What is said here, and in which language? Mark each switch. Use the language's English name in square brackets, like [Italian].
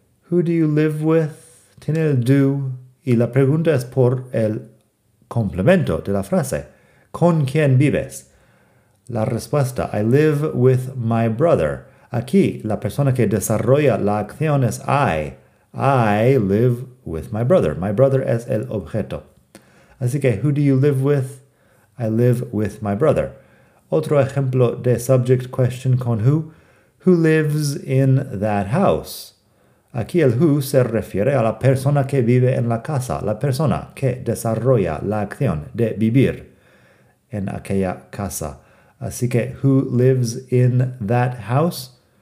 [English] Who do you live with? [Spanish] Tiene el do. Y la pregunta es por el complemento de la frase. ¿Con quién vives? La respuesta. [English] I live with my brother. [Spanish] Aquí, la persona que desarrolla la acción es I. [English] I live with my brother. My brother [Spanish] es el objeto. Así que, [English] who do you live with? I live with my brother. [Spanish] Otro ejemplo de [English] subject question con who. Who lives in that house? [Spanish] Aquí el who se refiere a la persona que vive en la casa, la persona que desarrolla la acción de vivir en aquella casa. Así que, [English] who lives in that house?